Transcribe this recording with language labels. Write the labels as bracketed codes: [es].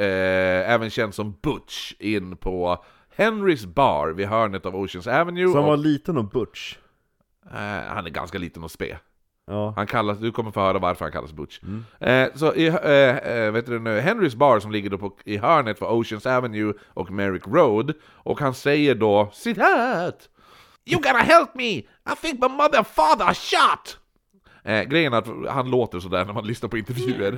[sv] Även känd som Butch in på Henry's Bar vid hörnet av Ocean's Avenue. Så han var liten och Butch? Han är ganska liten och spe. Ja. Han kallas, du kommer få höra varför han kallas Butch. Mm. Så i, vet du nu, Henry's Bar som ligger då på, i hörnet för Ocean's Avenue och Merrick Road. Och han säger då, [en] sit out! You gotta help me! I think my mother and father are shot! [sv] Grejen är att han låter sådär när man lyssnar på intervjuer.